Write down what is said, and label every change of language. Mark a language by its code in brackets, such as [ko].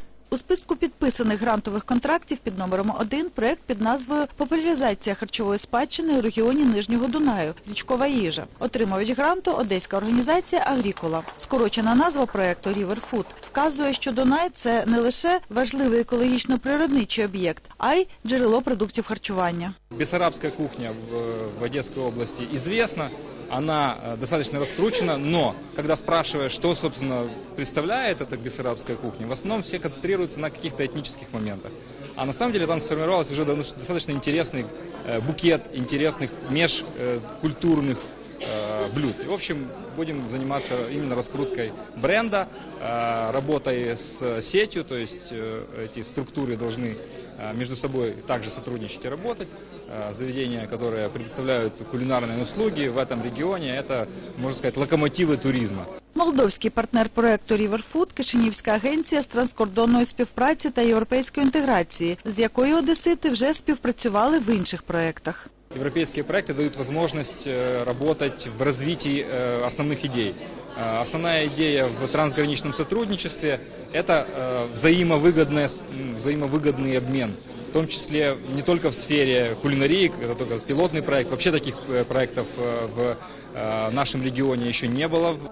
[uk] У списку підписаних грантових контрактів під номером 1 – проект під назвою «Популяризація харчової спадщини у регіоні Нижнього Дунаю. Річкова їжа». Отримувач гранту – одеська організація «Агрікола». Скорочена назва проекту «River Food» вказує, що Дунай – це не лише важливий екологічно-природничий об'єкт, а й джерело продуктів харчування. Бессарабська кухня в Одеській області звісна. [ru] Она достаточно раскручена, но когда спрашиваешь, что, собственно, представляет эта бессарабская кухня, в основном все концентрируются на каких-то этнических моментах. А на самом деле там сформировался уже достаточно интересный букет интересных межкультурных блюд. И, в общем, будем заниматься именно раскруткой бренда, работой с сетью, то есть эти структуры должны между собой также сотрудничать и работать. Заведения, которые предоставляют кулинарные услуги в этом регионе, это, можно сказать, локомотивы туризма. [uk] Молдовський партнер проекту Riverfood, Кишинівська агенція з транскордонної співпраці та європейської інтеграції, з якою одесити вже співпрацювали в інших проектах. Європейські проекти дають можливість працювати в розвитті основних ідей. Основна ідея в трансграничному співпраці – це взаємовигідний обмін, в тому числі не тільки в сфері кулінарії, це тільки пілотний проект, взагалі таких проектів в нашому регіоні ще не було.